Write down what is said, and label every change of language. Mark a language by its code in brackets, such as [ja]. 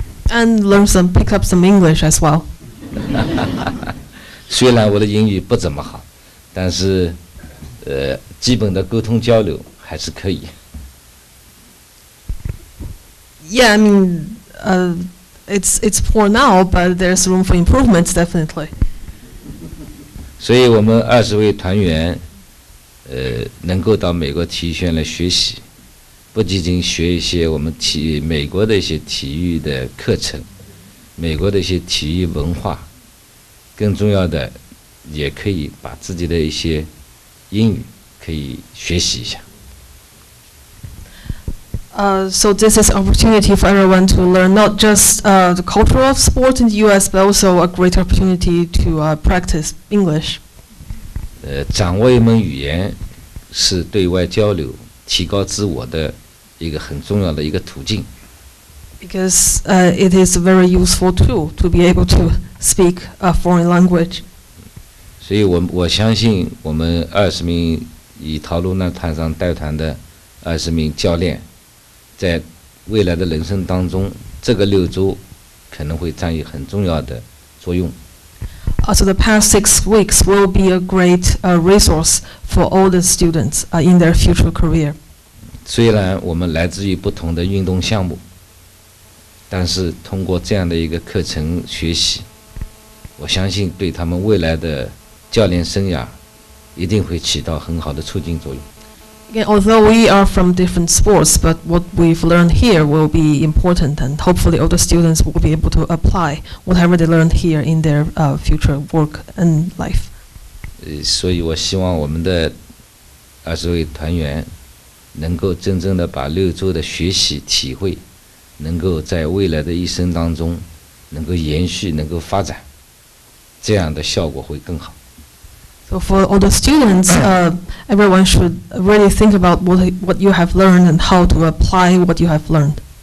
[en] And learn some, pick up some English as well. [zh] 虽然我的英语不怎么好，但是，基本的沟通交流还是可以。 [en] Yeah, I mean, it's poor now, but there's room for improvement, definitely. [zh] 所以我们二十位团员，能够到美国体育学院来学习，不仅仅学一些我们美国的一些体育的课程，美国的一些体育文化。更重要的，也可以把自己的一些英语可以学习一下。 [en] So this is opportunity for everyone to learn not just the culture of sport in the U.S., but also a great opportunity to practice English. [zh] 掌握一门语言是对外交流、提高自我的一个很重要的一个途径。 [en] Because it is a very useful tool to be able to speak a foreign language. [zh] 所以我相信我们二十名以陶露娜团长带团的二十名教练，在未来的人生当中，这个六周可能会占有很重要的作用。 [en] So the past 6 weeks will be a great resource for all the students in their future career. [zh] 虽然我们来自于不同的运动项目。但是通过这样的一个课程学习，我相信对他们未来的教练生涯一定会起到很好的促进作用。 [en] although we are from different sports, but what we've learned here will be important, and hopefully all the students will be able to apply whatever they learned here in their future work and life. [zh] 所以我希望我们的二十位团员能够真正的把六周的学习体会能够在未来的一生当中能够延续能够发展这样的效果会更好。 [en] So for all the students, everyone should really think about what you have learned and how to apply what you have learned.